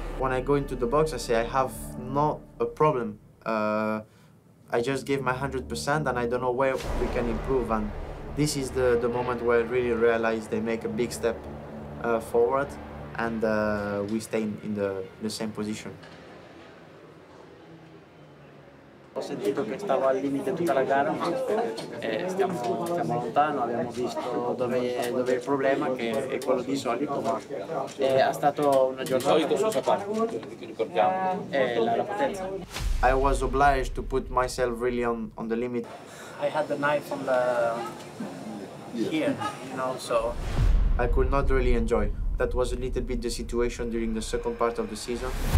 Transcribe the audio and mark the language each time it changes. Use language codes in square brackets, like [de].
[en] When I go into the box, I say, I have not a problem. I just gave my 100%, and I don't know where we can improve. And this is the moment where I really realize they make a big step forward, and we stay in the same position. [it] Ho sentito che stavo al limite tutta la gara, ma stiamo lontano, abbiamo visto dove è il problema, che è quello di solito, ma è stato una giornata. Di solito cosa fa? Ricordiamo. La potenza. [en] I was obliged to put myself really on the limit. I had the knife on the here, you know, so I could not really enjoy. That was a little bit the situation during the second part of the season.